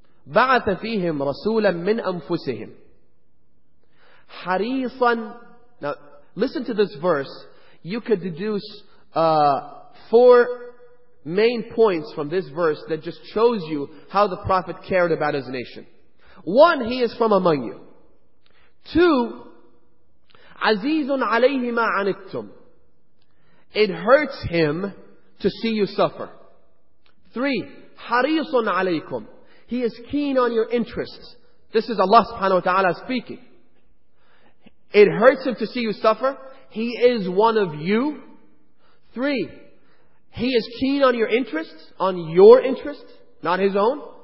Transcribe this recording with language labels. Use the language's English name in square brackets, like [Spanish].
[Arabic] بَعَثَ فِيهِمْ رَسُولًا مِّنْ أَنفُسِهِمْ حَرِيصًا. [English] Now, listen to this verse. You could deduce four main points from this verse that just shows you how the Prophet cared about his nation. One, he is from among you. Two, [Arabic] عَزِيزٌ عَلَيْهِ مَا عَنِتْتُمْ. [English] It hurts him to see you suffer. Three, [Arabic] حَرِيصٌ عَلَيْكُمْ. [English] He is keen on your interests. This is Allah subhanahu wa ta'ala speaking. It hurts him to see you suffer. He is one of you. Three, he is keen on your interests, on your interests, not his own.